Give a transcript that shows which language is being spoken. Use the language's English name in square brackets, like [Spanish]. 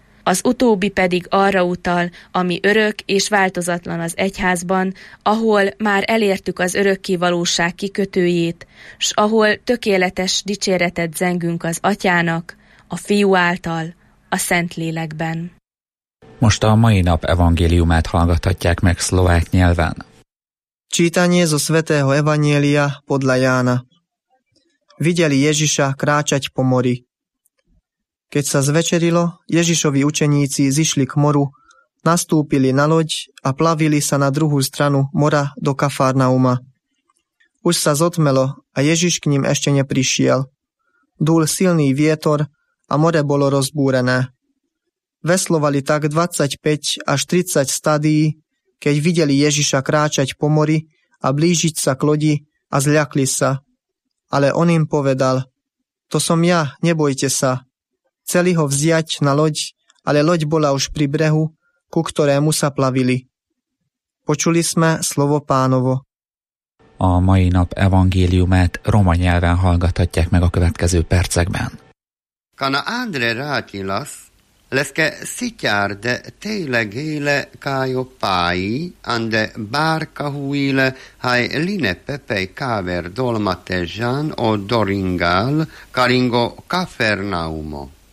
[Hungarian] Az utóbbi pedig arra utal, ami örök és változatlan az egyházban, ahol már elértük az örökké valóság kikötőjét, s ahol tökéletes dicséretet zengünk az Atyának, a Fiú által, a Szentlélekben. Most a mai nap evangéliumát hallgathatják meg szlovák nyelven. [Slovak] Čítanie zo svätého Evanjelia podľa Jána. Videli Ježiša kráčať po mori. Keď sa zvečerilo, Ježišovi učeníci zišli k moru, nastúpili na loď a plavili sa na druhú stranu mora do Kafarnauma. Už sa zotmelo a Ježiš k ním ešte neprišiel. Dúl silný vietor a more bolo rozbúrené. Veslovali tak 25 až 30 stadií, keď videli Ježiša kráčať po mori a blížiť sa k lodi a zľakli sa. Ale on im povedal, to som ja, nebojte sa. Chceli ho vziať na loď, ale loď bola už pri brehu, ku ktorému sa plavili. Počuli sme slovo Pánovo. [Hungarian] A mai nap evangéliumát roma nyelven hallgathatják meg a következő percekben. [Romany] Kana Andre rátilasz, leske sitjárde tényleg éle kájó pályi, ande bárka húile, haj line pepej káver dolmate zsán o doringál, karingo Kafarnaumo.